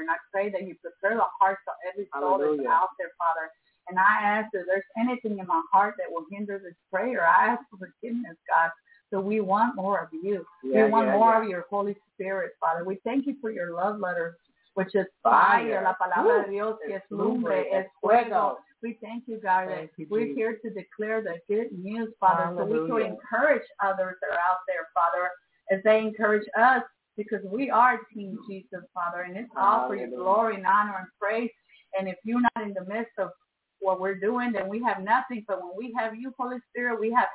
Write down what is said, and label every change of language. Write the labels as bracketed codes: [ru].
[en] And I pray that you prepare the hearts of every soul that's out there, Father. And I ask if there's anything in my heart that will hinder this prayer, I ask for forgiveness, God. So we want more of you. We want more of your Holy Spirit, Father. We thank you for your love letter, which is fire. [es] La palabra de Dios que es lumbre, es fuego. [en] We thank you, God. Thank you, Jesus. Here to declare the good news, Father, Hallelujah. So we can encourage others that are out there, Father, as they encourage us, because we are Team Jesus, Father, and it's all Hallelujah. For your glory and honor and praise. And if you're not in the midst of what we're doing, then we have nothing. But when we have you, Holy Spirit, we have